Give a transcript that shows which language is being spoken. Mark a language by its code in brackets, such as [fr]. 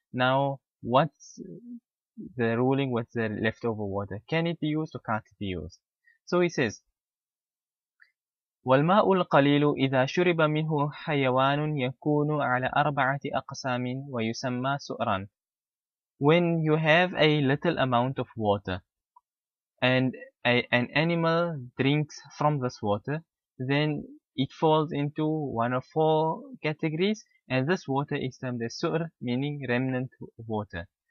[en] Now, what's the ruling with the leftover water? Can it be used or can't it be used? So he says, [ar] والماء القليل إذا شرب منه حيوان يكون على أربعة أقسام ويسمى سؤرا. [en] When you have a little amount of water and an animal drinks from this water, then it falls into one of four categories, and this water is termed as su'r, meaning remnant water.